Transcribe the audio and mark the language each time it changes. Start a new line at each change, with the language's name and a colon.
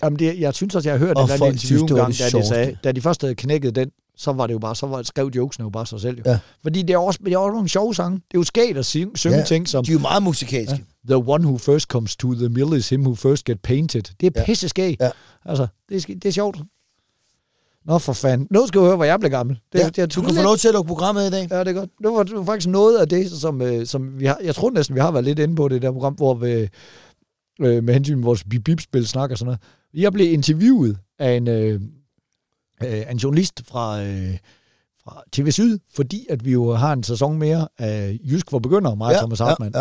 Danish: Jamen, det, jeg synes også, jeg har hørt og den der interview en gang, da de sagde, da de først havde knækket den, så var det jo bare, så var, skrev jokesene jo bare sig selv. Jo. Ja. Fordi det er også, men det er også nogle sjove sange. Det er jo skægt at synge ting som... De er jo meget musikalske. Ja.
English: The one who first comes to the mill is him who first get painted.
Danish: Det er pisse skæg. Ja. Altså, det er sjovt. Nå for fanden. Nu skal du høre, hvor jeg blev gammel. Du kan få lov til at lukke programmet i dag. Ja, det er godt. Det var faktisk noget af det, som vi har... Jeg tror næsten, vi har været lidt inde på det der program, hvor vi, med hensyn til vores bip-bip-spil snakker sådan noget. Jeg blev interviewet af en journalist fra TV Syd, fordi at vi jo har en sæson mere af Jysk for begyndere, mig og Thomas Hartmann.